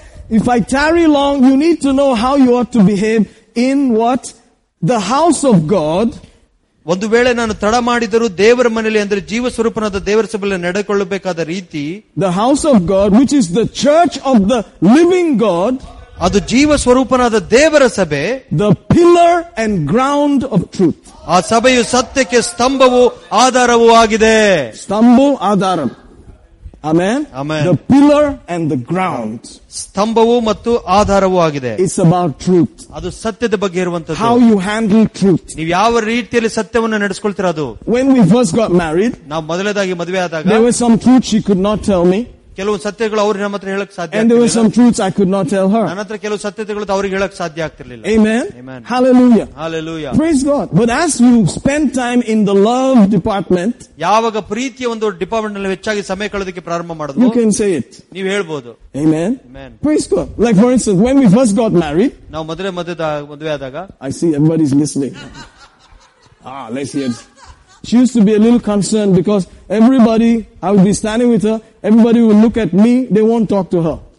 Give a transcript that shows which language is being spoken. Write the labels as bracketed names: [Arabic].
[English] If I tarry long, you need to know how you ought to behave in what? The house of God. [Kannada] ಒಂದು ವೇಳೆ ನಾನು ತಡ ಮಾಡಿದರೂ ದೇವರ ಮನೆಯಲ್ಲಿ ಅಂದರೆ ಜೀವ ಸ್ವರೂಪನಾದ ದೇವರ ಸಭೆಯಲ್ಲಿ ನಡೆಕೊಳ್ಳಬೇಕಾದ ರೀತಿ [English] the house of God which is the church of the living God [Kannada] ಅದು ಜೀವ ಸ್ವರೂಪನಾದ ದೇವರ ಸಭೆ [English] the pillar and ground of truth [Kannada] ಆ ಸಭೆಯು ಸತ್ಯಕ್ಕೆ ಸ್ತಂಭವು ಆಧಾರವೂ ಆಗಿದೆ ಸ್ತಂಭ ಆಧಾರ [English] Amen. Amen. The pillar and the ground. [Kannada] Stambavu mattu aadharavu agide. [English] It's about truth. [Kannada] Adu satyada bagge iruvantadu. [English] How you handle truth. [Kannada] Neevu yava reetiyalli satyavanna nadesikoltira adu. [English] When we first got married, [Kannada] naavu modaledagi madve aadaga, [English] there was some truth she could not tell me. [Kannada] ಕೆಲವು ಸತ್ಯಗಳು ಅವರು ನಮ್ಮ ಹತ್ರ ಹೇಳಕ್ ಸಾಧ್ಯ ಆಗ್ತಿರಲಿಲ್ಲ. [English] And there were some truths I could not tell her. [Kannada] ನನ್ನ ಹತ್ರ ಕೆಲವು ಸತ್ಯತೆಗಳು ಅವರಿಗೆ ಹೇಳಕ್ ಸಾಧ್ಯ ಆಗ್ತಿರಲಿಲ್ಲ. [English] Amen. Amen. Hallelujah. Hallelujah. Praise God. But as you spend time in the love department, [Kannada] ಯಾವಾಗ ಪ್ರೀತಿಯ ಒಂದು ಡಿಪಾರ್ಟ್ಮೆಂಟ್ ನಲ್ಲಿ ಹೆಚ್ಚಾಗಿ ಸಮಯ ಕಳೆದಕ್ಕೆ ಪ್ರಾರಂಭ ಮಾಡಿದ್ರು, [English] you can say it. [Kannada] ನೀವು ಹೇಳಬಹುದು. [English] Amen. Amen. Praise God. Like for instance, when we first got married, [Kannada] ನಾವು ಮೊದಲೇ ಮದುವೆ ಆದಾಗ, [English] I see everybody is listening. Ah, let's hear it. She used to be a little concerned because everybody, I would be standing with her, everybody would look at me, they won't talk to her.